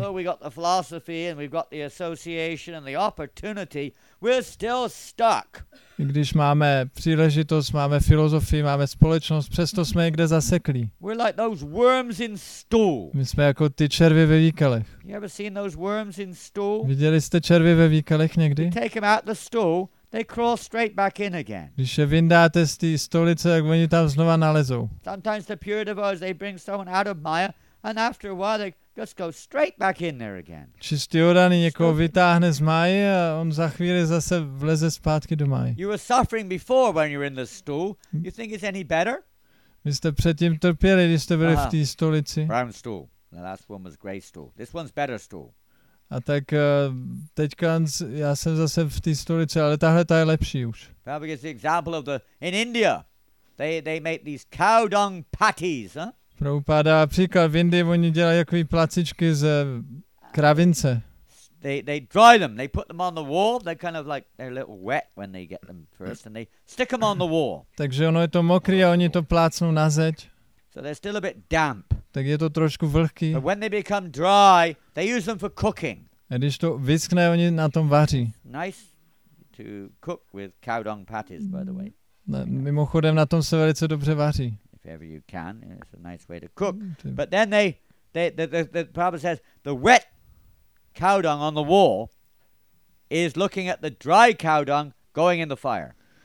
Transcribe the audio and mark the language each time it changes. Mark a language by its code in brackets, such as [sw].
[en] Although we got the philosophy and we've got the association and the opportunity, we're still stuck. [cs] I když máme příležitost, máme filozofii, máme společnost, přesto jsme někde zaseklí. [en] We're like those worms in stool. [cs] My jsme jako ty červy ve výkalech. [en] You ever seen those worms in stool? [cs] Viděli jste červy ve výkalech někdy? [en] You take them out the stool, they crawl straight back in again. [cs] Když je vyndáte z té stolice, tak oni tam znova nalezou. [en] Sometimes the pure devotees, they bring someone out of Maya, and after a while they just go straight back in there again. [cs] Čistý odaný někoho vytáhne z máje a on za chvíli zase vleze zpátky do máje. [en] You were suffering before when you were in the stool. You think it's any better? [cs] Vy jste předtím trpěli, když jste byli v té stolici. [en] Brown stool. The last one was grey stool. This one's better stool. [cs] A tak teďka já jsem zase v té stolici, ale tahle ta je lepší už. [en] Probably it's the example of the in India. They make these cow dung patties, huh? [cs] Prabhupada, příklad v Indii, oni dělají takové placičky z kravince. [en] They dry them, they put them on the wall, they're kind of like, they're a little wet when they get them first, and they stick them on the wall. [cs] Takže ono je to mokré a oni to plácnou na zeď. [en] So they're still a bit damp. [cs] Tak je to trošku vlhký. [en] But when they become dry, they use them for cooking. [cs] A když to vyschne, oni na tom vaří. [en] Nice to cook with cow dung patties, by the way. [cs] Mimochodem, na tom se velice dobře vaří. [en] Whatever you can, it's a nice way to cook. But then the Prabhupada says the wet cow dung on the wall is looking at the dry cow dung going in the fire.